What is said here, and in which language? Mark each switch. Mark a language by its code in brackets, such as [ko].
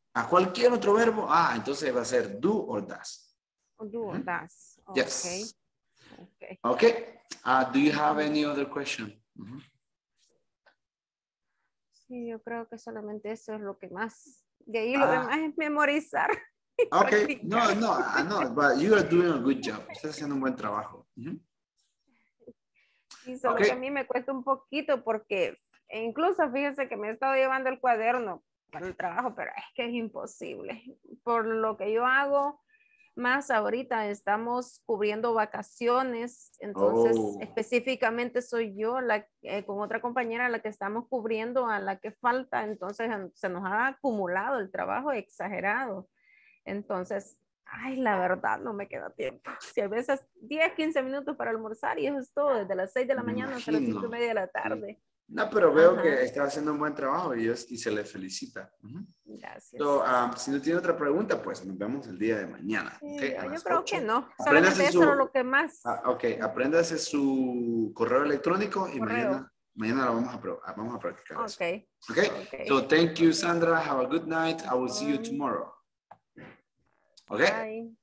[es] A cualquier otro verbo. Ah, entonces va a ser [en] do or does. Do or does. Yes. Okay. Okay. Do you have any other question? Mm-hmm. [es] Sí, yo creo que solamente eso es lo que más. De ahí lo demás es memorizar. [en] Okay, no, but you are doing a good job. [es] Estás haciendo un buen trabajo. Mm-hmm. Y solo okay. que a mí me cuesta un poquito porque incluso fíjense que me he estado llevando el cuaderno para el trabajo, pero es que es imposible. Por lo que yo hago, más ahorita estamos cubriendo vacaciones, entonces específicamente soy yo la con otra compañera la que estamos cubriendo a la que falta, entonces se nos ha acumulado el trabajo exagerado. Entonces, ay, la verdad, no me queda tiempo. Si a veces 10, 15 minutos para almorzar y eso es todo, desde las 6 de la mañana hasta las 5 y media de la tarde. No, pero veo que está haciendo un buen trabajo y se le felicita. Gracias. So, si no tiene otra pregunta, pues nos vemos el día de mañana. Sí, okay, yo creo 8. Que no. Solamente aprendase eso es lo que más. Ok, apréndase su correo electrónico y mañana lo vamos a practicar. [en] Okay. Okay? Ok. So, thank you, Sandra. Have a good night. I will see you tomorrow. Okay?